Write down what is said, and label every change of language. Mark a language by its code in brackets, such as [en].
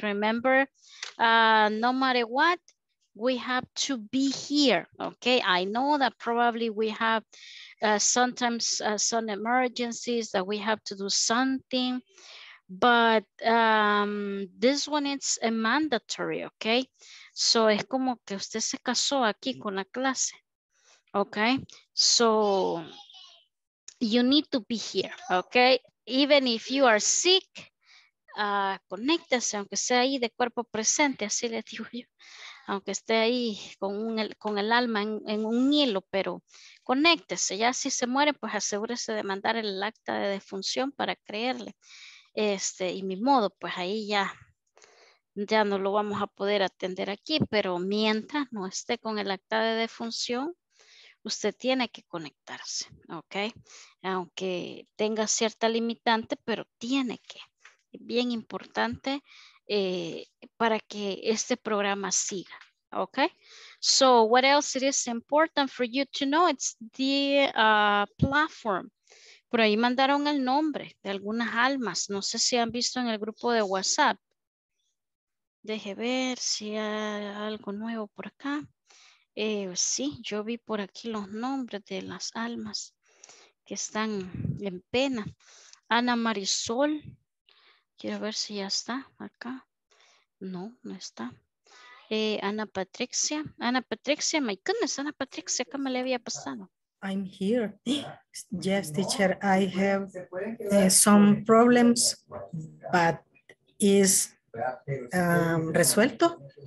[en] Remember, no matter what, we have to be here. Okay. I know that probably we have sometimes some emergencies that we have to do something. But this one, it's a mandatory, okay? [es] So, es como que usted se casó aquí con la clase, okay? [en] So, you need to be here, okay? Even if you are sick, [es] conéctese, aunque sea ahí de cuerpo presente, así le digo yo. Aunque esté ahí con el alma en un hilo, pero conéctese. Ya si se muere, pues asegúrese de mandar el acta de defunción para creerle. Este, y mi modo, pues ahí ya no lo vamos a poder atender aquí, pero mientras no esté con el acta de defunción, usted tiene que conectarse, ¿ok? Aunque tenga cierta limitante, pero tiene que. Bien importante para que este programa siga, ¿ok? [en] So, what else it is important for you to know? It's the platform. [es] Por ahí mandaron el nombre de algunas almas. No sé si han visto en el grupo de WhatsApp. Deje ver si hay algo nuevo por acá. Sí, yo vi por aquí los nombres de las almas que están en pena. Ana Marisol. Quiero ver si ya está acá. No, no está. Ana Patricia. Ana Patricia, [en] my goodness, [es] Ana Patricia, ¿cómo le había pasado? [en] I'm here. Yes, teacher, I have some problems, but is resuelto?